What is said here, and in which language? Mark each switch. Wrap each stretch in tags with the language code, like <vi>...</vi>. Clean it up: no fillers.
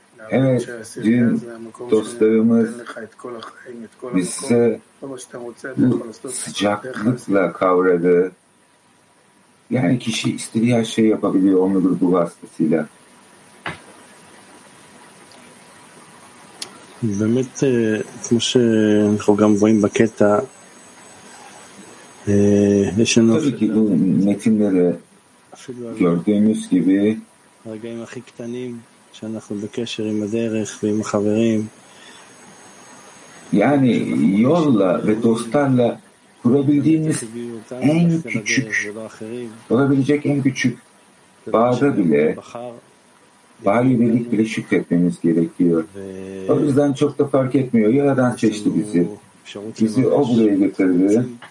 <tr>Evet, dün dostlarımız bizi bu sıcaklıkla kavradı. Yani kişi istediği her şeyi yapabiliyor onun grubu vasıtasıyla.</tr> <he>באמת, כמו שאנחנו גם רואים בקטע, יש לנו...</he> <tr>tabii ki bu metinleri gördüğümüz gibi</tr> <he>הרגעים הכי קטנים שאנחנו בקשר עם הדרך ועם החברים.</he> <tr>Yani yolla ve dostlarla kurabildiğimiz en küçük, olabilecek en küçük bağda bile bari birlik bile şükretmemiz gerekiyor. O yüzden çok da fark etmiyor. Yaradan seçti bizi. Bizi o buraya getirdi.</tr>